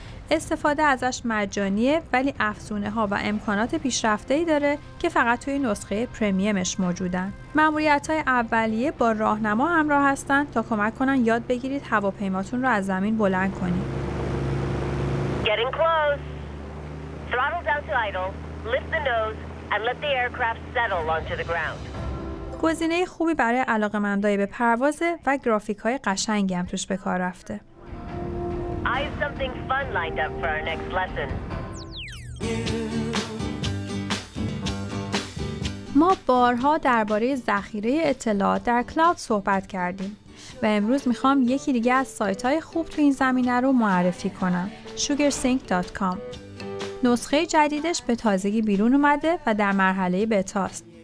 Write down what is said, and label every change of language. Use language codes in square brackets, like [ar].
[fa] استفاده ازش مجانیه ولی افزونه‌ها و امکانات پیشرفته‌ای داره که فقط توی نسخه پرمیومش موجودن. مأموریت‌های اولیه با راهنما همراه هستن تا کمک کنن یاد بگیرید هواپیماتون رو از زمین بلند کنید. [en] Getting close. Throttle down to idle. Lift the nose and let the aircraft settle onto the ground. [fa] گزینه خوبی برای علاقه‌مندای به پرواز و گرافیک‌های قشنگی هم توش به کار رفته. [en] I have something fun lined up for our next lesson. [fa] ما بارها درباره ذخیره اطلاعات در کلاود صحبت کردیم و امروز میخوام یکی دیگه از سایت‌های خوب تو این زمینه رو معرفی کنم، sugarsync.com. نسخه جدیدش به تازگی بیرون اومده و در مرحله بتا است.